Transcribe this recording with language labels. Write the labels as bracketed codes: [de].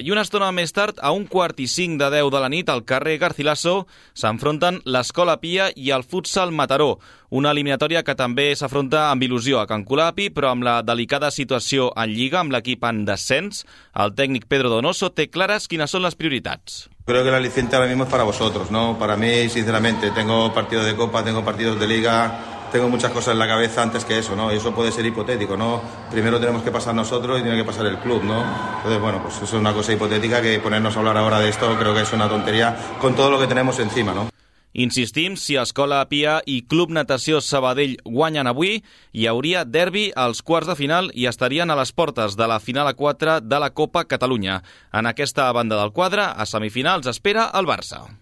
[ca] I una estona més tard, a un quart i cinc de 10 de la nit, al carrer Garcilaso, s'enfronten l'Escola Pia i el Futsal Mataró, una eliminatòria que també s'afronta amb il·lusió a Can Colapi, però amb la delicada situació en Lliga, amb l'equip en descens, el tècnic Pedro Donoso té clares quines són les prioritats. [es] Creo que el aliciente ahora mismo es para vosotros, ¿no? Para mí, sinceramente, tengo partidos de Copa, tengo partidos de Liga, tengo muchas cosas en la cabeza antes que eso, ¿no? Y eso puede ser hipotético, ¿no? Primero tenemos que pasar nosotros y tiene que pasar el club, ¿no? Entonces, bueno, pues eso es una cosa hipotética, que ponernos a hablar ahora de esto creo que es una tontería con todo lo que tenemos encima, ¿no? [ca] Insistim, si Escola Pia i Club Natació Sabadell guanyen avui, hi hauria derbi als quarts de final i estarien a les portes de la final a 4 de la Copa Catalunya. En aquesta banda del quadre, a semifinals espera el Barça.